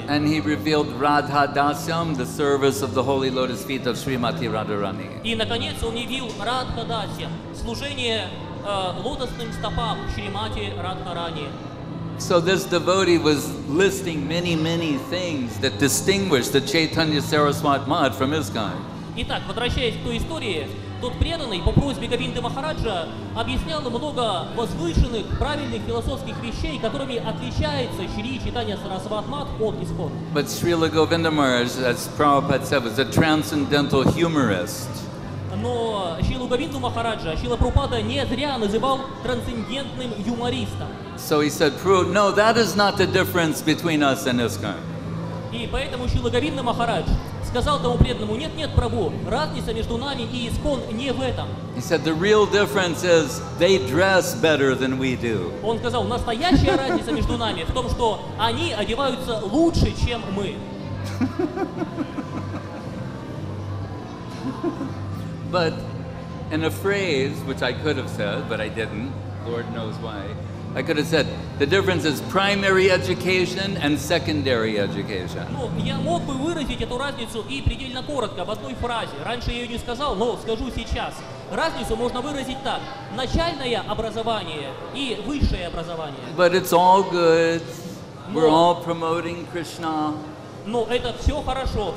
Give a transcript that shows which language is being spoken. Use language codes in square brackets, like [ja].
[en] And he revealed Radha Dasyam, the service of the holy lotus feet of Srimati Radharani. [ru] И наконец он явил Радха Дасьям, служение лотосным стопам Шримати Радхарани. [en] So this devotee was listing many, many things that distinguished the Chaitanya Saraswat Mad from ISKCON. [ru] Итак, возвращаясь к той истории, тот преданный по просьбе Говинды Махараджа объяснял много возвышенных, правильных философских вещей, которыми отличается Шри Чайтанья Сарасвати Мат от ИСККОН. [en] But Srila Govinda Maharaj, as Prabhupada said, was a transcendental humorist. [ru] Но Шрилу Говинду Махараджа Шрила Прабхупада не зря называл трансцендентным юмористом. [en] So he said, Prabhu, no, that is not the difference between us and ISKCON. [ru] И поэтому Шрила Говинда Махарадж сказал тому преданному, нет, нет, Прабху, разница между нами и ИСККОН не в этом. [en] He said, the real difference is they dress better than we do. [ru] Он сказал, настоящая разница между нами в том, что они одеваются лучше, чем мы. [en] But in a phrase, which I could have said, but I didn't, Lord knows why, I could have said, the difference is primary education and secondary education. [ru] Ну, я мог бы выразить эту разницу и предельно коротко, в одной фразе. Раньше я ее не сказал, но скажу сейчас. Разницу можно выразить так. Начальное образование и высшее образование. [en] But it's all good. We're all promoting Krishna. [ru] Но это все хорошо.